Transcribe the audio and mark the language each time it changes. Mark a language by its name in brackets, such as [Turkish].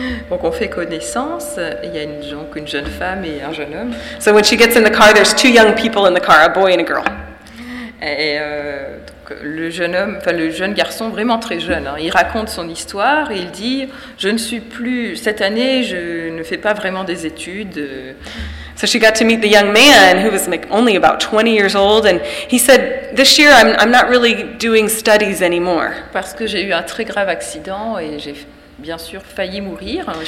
[French] Donc, on fait connaissance. Il y a une jeune femme et un jeune homme. [English] So when she gets in the car, there's two young people in the car, a boy and a girl. [French] Et le jeune garçon, vraiment très jeune, hein, il raconte son histoire et il dit, je ne suis plus, cette année, je ne fais pas vraiment des études. [English] So she got to meet the young man who was like only about 20 years old and he said, this year I'm not really doing studies anymore. [French] Parce que j'ai eu un très grave accident et j'ai bien sûr failli mourir.